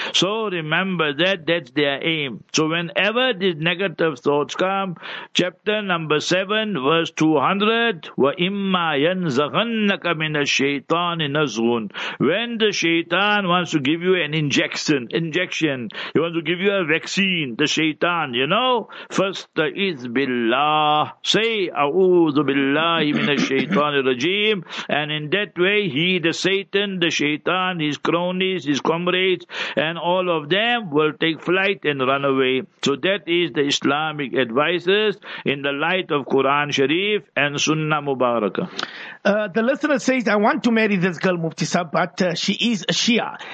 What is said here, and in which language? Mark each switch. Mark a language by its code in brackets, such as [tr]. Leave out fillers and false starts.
[en] So remember that, that's their aim. So whenever these negative thoughts come, chapter number 7, verse 200, [ar] وَإِمَّا يَنْزَغَنَّكَ مِنَ الشَّيْطَانِ نَزْغُونَ. [en] When the shaitan wants to give you an injection, he wants to give you a vaccine, the shaitan, you know, first is billah. Say, [ar] أَعُوذُ بِاللَّهِ مِنَ الشَّيْطَانِ الرَّجِيمِ. [en] And in that way, the Shaitan, his cronies, his comrades, and all of them will take flight and run away. So that is the Islamic advices in the light of Quran Sharif and Sunnah Mubarakah. The listener says, I want to marry this girl, Mufti Sahab, but she is a Shia.